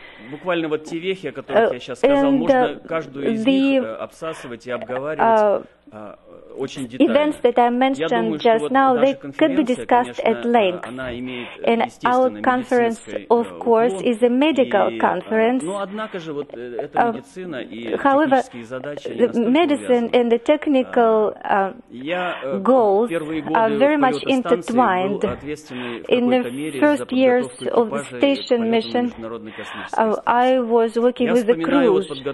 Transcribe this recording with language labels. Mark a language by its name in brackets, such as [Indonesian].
[Russian] Буквально вот те вехи, о которых я сейчас сказал, можно каждую из них обсасывать и обговаривать очень детально. [English] Events that I mentioned just now, they could be discussed at length. And our conference, of course, is a medical conference. [Russian] Но однако же вот эта медицина и технические задачи, [English] the medicine and the technical goals are very much intertwined. In the first years of the station mission, I was working with the crews.